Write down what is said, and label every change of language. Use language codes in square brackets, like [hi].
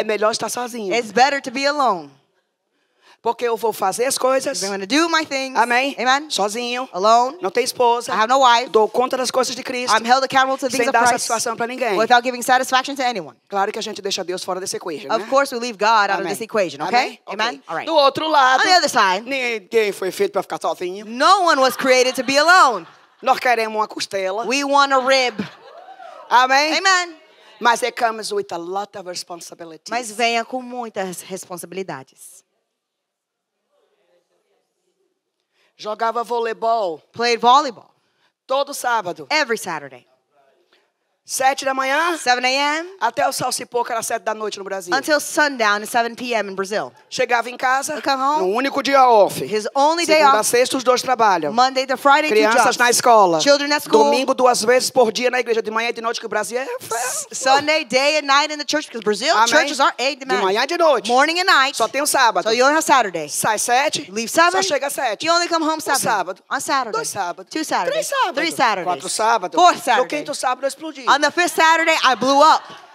[pt] É melhor estar sozinho. [en] It's better to be alone. [pt] Porque eu vou fazer as coisas. [en] I'm going to do my things. [pt] Amém. [en] Amen. [pt] Sozinho. [en] Alone. [pt] Não tenho esposa. [en] I have no wife. [pt] Dou conta das coisas de Cristo. [en] I'm held accountable to the things of Christ. [pt] Sem dar satisfação para ninguém. [en] Without giving satisfaction to anyone. [pt] Claro que a gente deixa Deus fora dessa equação, né? [en] Of course we leave God out of this equation, okay? [pt] Amém. [en] Amen. Okay. All right. [pt] Do outro lado. [en] On the other side. [pt] Ninguém foi feito para ficar sozinho. [en] No one was created to be alone. [pt] Nós queremos uma costela. [en] We want a rib. [pt] Amém. [en] Amen. Mas it comes with a lot of responsibilities. [pt] Mas venha com muitas responsabilidades. Jogava voleibol. [en] Played volleyball. [pt] Todo sábado. [en] Every Saturday. [pt] 7 da manhã. [en] 7 a.m. [pt] Até o sol se pôr, era 7 da noite no Brasil. [en] Until sundown, 7 p.m. in Brazil. [pt] Chegava em casa. [en] Come home. [pt] No único dia off. [en] His only day off. [pt] Segunda a sexta, os dois trabalham. [en] Monday to Friday, [pt] Crianças Crianças na escola. [en] Children at school. [pt] Domingo, duas vezes por dia na igreja. De manhã e de noite, que o Brasil é... [en] Sunday, day and night in the church, because Brazil, [pt] Amém. [en] Churches are 8 [pt] demand. De manhã e de noite. [en] Morning and night. [pt] Só tem o sábado. [en] So you only have Saturday. [pt] Sai 7. [en] Leave 7. [pt] Só chega 7. [en] You only come home 7. [pt] Um sábado. [en] On Saturday. [pt] 2 sábados. [en] 2 Saturdays. 3 Saturdays. [pt] 4 sábados. [en] 4 Saturdays. [pt] No quinto sábado, eu explodi. [en] On the 5th Saturday, I blew up.